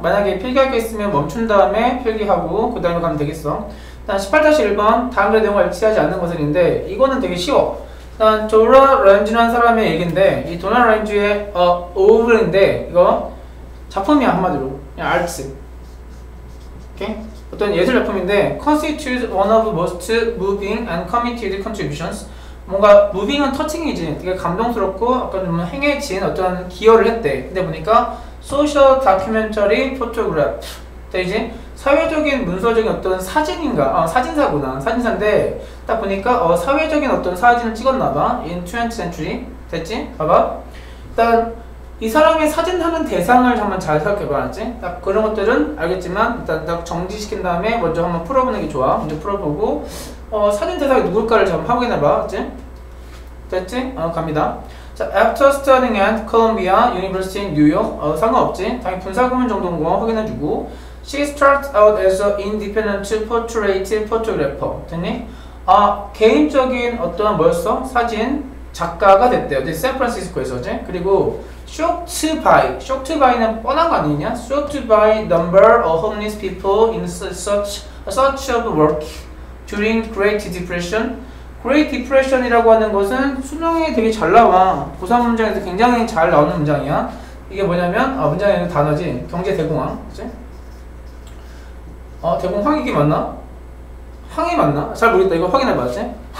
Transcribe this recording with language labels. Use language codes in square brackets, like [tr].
[ko] 만약에 필기할 게 있으면 멈춘 다음에 필기하고 그 다음에 가면 되겠어. 일단 18-1번 다음 글의 내용과 일치하지 않는 것은인데, 이거는 되게 쉬워. 일단 도나 렌즈라는 사람의 얘기인데, 이 도나 렌즈의 오브인데, 이거 작품이야 한마디로. 그냥 아트. 오케이? 어떤 예술 작품인데, [en] constitutes one of most moving and committed contributions. [ko] 뭔가 moving은 터칭이지. 되게 감동스럽고 약간 좀 행해진 어떤 기여를 했대. 근데 보니까 소셜 다큐멘터리 포토그래프. 이제 사회적인 문서적인 어떤 사진인가? 사진사구나. 사진사인데 딱 보니까 사회적인 어떤 사진을 찍었나 봐. [en] In 20th century. [ko] 됐지? 봐봐. 일단 이 사람의 사진하는 대상을 한번 잘 살펴봐야지. 딱 그런 것들은 알겠지만 일단 딱 정지시킨 다음에 먼저 한번 풀어보는 게 좋아. 먼저 풀어보고 사진 대상이 누굴까를 한번 확인해봐. 됐지? 됐지? 갑니다. [en] 자, after studying at Columbia University in New York. [ko] 상관없지. 당연히 분사구문 정도인 거 확인해주고. [en] She starts out as an independent portrait photographer. [ko] 됐니? 개인적인 어떤 뭐였어? 사진 작가가 됐대요. 어디? 샌프란시스코에서지. 그리고 [en] shocked by [ko] 는 뻔한 거 아니냐? [en] Shocked by number of homeless people in search of work during Great Depression. [ko] Great Depression이라고 하는 것은 수능에 되게 잘 나와. 고3 문장에서 굉장히 잘 나오는 문장이야. 이게 뭐냐면 문장의 단어지. 경제 대공황. 그치? 대공황 이게 맞나? 황이 맞나? 잘 모르겠다. 이거 확인해봐야지.